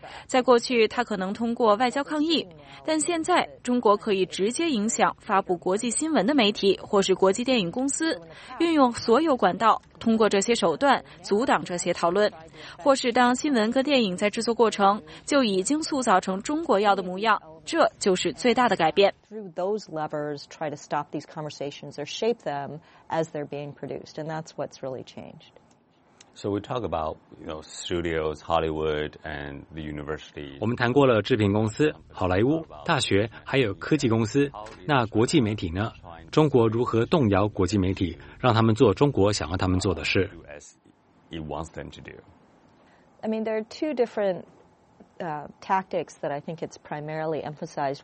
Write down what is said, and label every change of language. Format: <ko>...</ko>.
<zh>在过去，它可能通过外交抗议，但现在中国可以直接影响发布国际新闻的媒体或是国际电影公司，运用所有管道，通过这些手段阻挡这些讨论，或是当新闻跟电影在制作过程就已经塑造成中国要的模样。这就是最大的改变。</zh> <en>Through those levers, try to stop these conversations or shape them as they're being produced, and that's what's really changed. So we talk about, you know, studios, Hollywood, and the universities.</en> <zh>我们谈过了制片公司、好莱坞、大学，还有科技公司。那国际媒体呢？中国如何动摇国际媒体，让他们做中国想要他们做的事</zh> <en>？It wants them to do. I mean, there are two different. Tactics that I think it's primarily emphasized.</en>